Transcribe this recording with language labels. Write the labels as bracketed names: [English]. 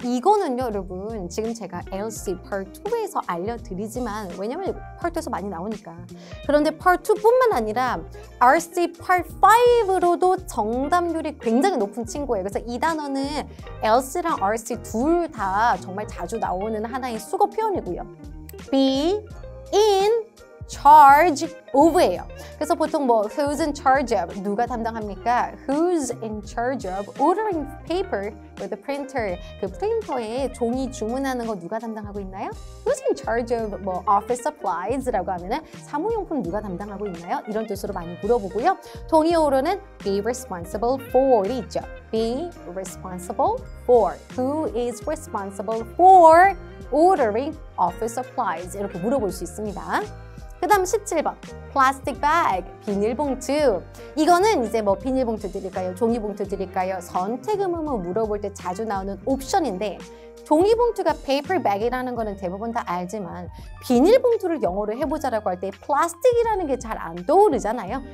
[Korean] 이거는요, 여러분 지금 제가 LC Part 2에서 알려드리지만 왜냐면 Part 2에서 많이 나오니까. 그런데 Part 2뿐만 아니라 RC Part 5로도 정답률이 굉장히 높은 친구예요. 그래서 이 단어는 LC랑 RC 둘 다 정말 자주 나오는 하나의 수거 표현이고요. Be in charge of예요. 그래서 보통 뭐 who's in charge of 누가 담당합니까? [English] Who's in charge of ordering paper with the printer? [Korean] 그 프린터에 종이 주문하는 거 누가 담당하고 있나요? Who's in charge of 뭐 office supplies라고 하면은 사무용품 누가 담당하고 있나요? 이런 뜻으로 많이 물어보고요. 동의어로는 be responsible for 있죠. [English] Be responsible for who is responsible for ordering office supplies [Korean] 이렇게 물어볼 수 있습니다. 그 다음 17번 plastic bag 비닐봉투 이거는 이제 뭐 비닐봉투 드릴까요? 종이봉투 드릴까요? 선택음을 물어볼 때 자주 나오는 옵션인데 종이봉투가 paper bag이라는 거는 대부분 다 알지만 비닐봉투를 영어로 해보자라고 할 때 plastic이라는 게 잘 안 떠오르잖아요.